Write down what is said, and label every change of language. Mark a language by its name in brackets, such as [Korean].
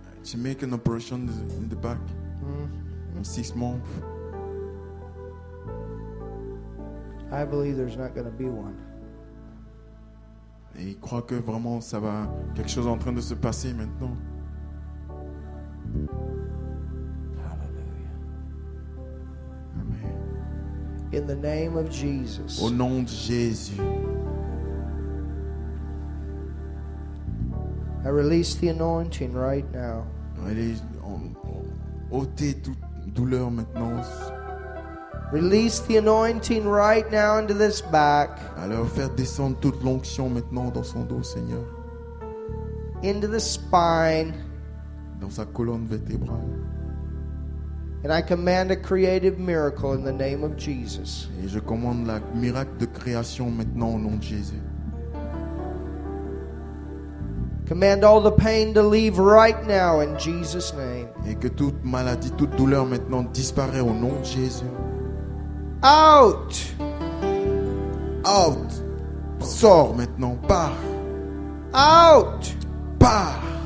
[English] To make an operation in the back in 6 months. I believe there's not going to be one. [French] Et il croit que vraiment ça va quelque chose en train de se passer maintenant. [English] Hallelujah. Amen. In the name of Jesus. [French] Au nom de Jésus. [English] I release the anointing right now. [French] Release, ôtez toute douleur maintenant. [English] Release the anointing right now into this back. [French] Alors faire descendre toute l'onction maintenant dans son dos, Seigneur. [English] Into the spine. [French] Dans sa colonne vertébrale. [English] And I command a creative miracle in the name of Jesus. [French] Et je commande la miracle de création maintenant au nom de Jésus. [English] Command all the pain to leave right now in Jesus' name. [French] Et que toute maladie, toute douleur maintenant disparaît au nom de Jésus. [English] Out. [French] Out. Sors maintenant, pars. [English] Out. [French] Pars.